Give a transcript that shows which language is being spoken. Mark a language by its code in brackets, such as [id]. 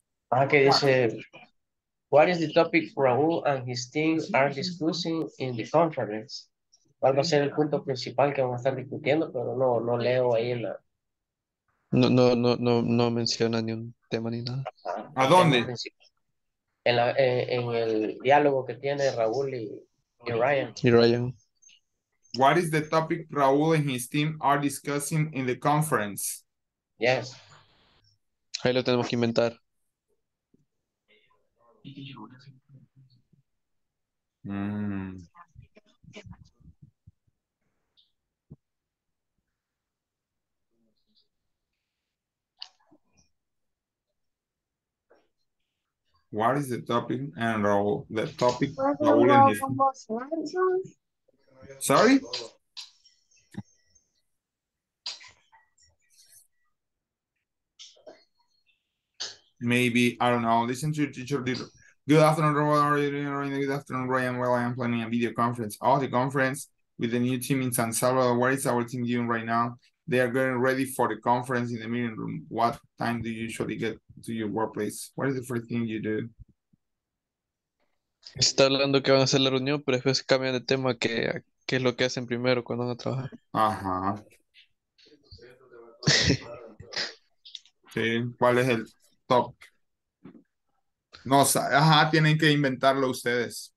[es] Ah, que dice, [en] what is the topic Raúl and his team are discussing in the conference? [es] ¿Cuál va a ser el punto principal que van a estar discutiendo? Pero no leo ahí en la... No menciona ni un tema ni nada. ¿A dónde? En el diálogo que tiene Raúl y Ryan. Y Ryan. [en] What is the topic Raúl and his team are discussing in the conference? Yes. [es] Ahí lo tenemos que inventar. [en] What is the topic and Raul? The topic. Raul and his... Sorry? Maybe, I don't know. Listen to your teacher. Good afternoon, Raul. How are you doing? Good afternoon, Ryan. Well, I am planning a video conference. Oh, the conference with the new team in San Salvador. Where is our team doing right now? They are getting ready for the conference in the meeting room. What time do you usually get to your workplace? What is the first thing you do? [es] Está hablando que van a hacer la reunión, pero después cambian de tema, que es lo que hacen primero cuando van a trabajar. Ajá. Sí, ¿cuál es el top? No, ajá, tienen que inventarlo ustedes.